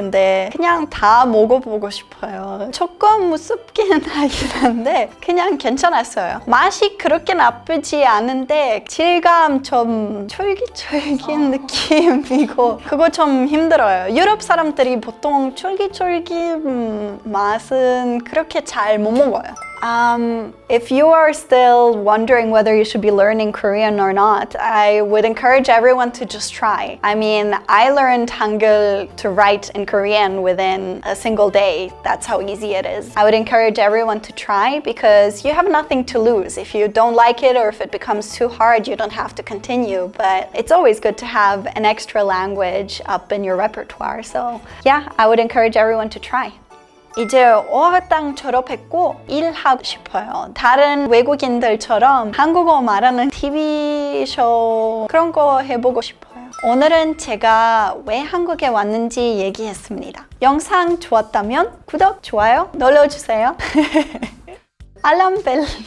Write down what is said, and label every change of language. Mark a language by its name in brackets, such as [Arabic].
[Korean] 근데 그냥 다 먹어보고 싶어요. 조금 무섭긴 하긴 한데 그냥 괜찮았어요. 맛이 그렇게 나쁘지 않은데 질감 좀 쫄깃쫄깃 느낌이고 그거 좀 힘들어요. 유럽 사람들이 보통 쫄깃쫄깃 맛은 그렇게 잘못 먹어요. [English] If you are still wondering whether you should be learning Korean or not, I would encourage everyone to just try. I mean, I learned Hangul to write in Korean within a single day. That's how easy it is. I would encourage everyone to try because you have nothing to lose. If you don't like it or if it becomes too hard, you don't have to continue. But it's always good to have an extra language up in your repertoire. So, yeah, I would encourage everyone to try. [Korean] 이제 어학당 졸업했고 일하고 싶어요. 다른 외국인들처럼 한국어 말하는 TV 쇼 그런 거 해보고 싶어요. 오늘은 제가 왜 한국에 왔는지 얘기했습니다. 영상 좋았다면 구독, 좋아요 눌러주세요. 알람 벨.